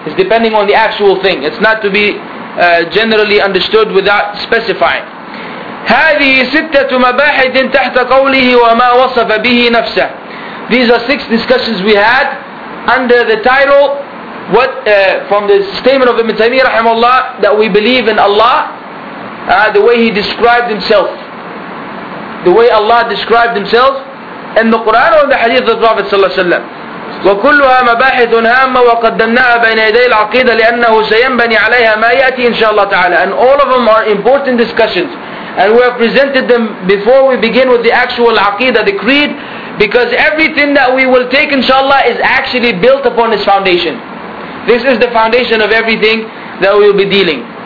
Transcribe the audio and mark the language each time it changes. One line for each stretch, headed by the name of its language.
English: It's depending on the actual thing. It's not to be generally understood without specifying.
Arabic: هذه ستة مباحث تحت قوله وما وصف به نفسه.
English: These are six discussions we had under the title what from the statement of Ibn Taymiyyah rahimahullah that we believe in Allah, the way he described himself, the way Allah described himself in the Quran or in the Hadith of the Prophet sallallahu alaihi wasallam.
Arabic: وكلها مباحث هامة وقدمناها بين يدي العقيدة لأنه سينبني عليها ما يأتي إن شاء الله تعالى.
English: And all of them are important discussions, and we have presented them before we begin with the actual عقيدة, the creed, because everything that we will take
Arabic: إن شاء الله
English: is actually built upon this foundation. This is the foundation of everything that we will be dealing.